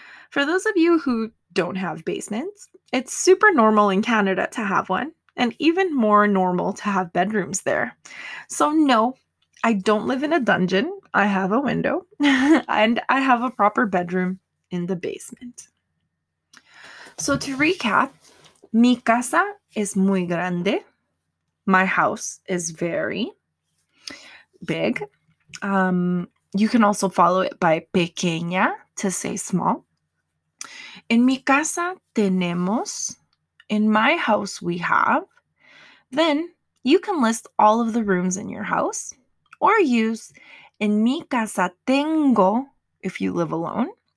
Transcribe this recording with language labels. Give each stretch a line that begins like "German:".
English: For those of you who don't have basements, it's super normal in Canada to have one, and even more normal to have bedrooms there. So no, I don't live in a dungeon. I have a window, and I have a proper bedroom in the basement.
Spanish: So to recap, mi casa es muy grande.
English: My house is very big. You can also follow it by pequeña to say small.
Spanish: En mi casa tenemos,
English: in my house we have. Then you can list all of the rooms in your house or use
Spanish: en mi casa tengo
English: if you live alone.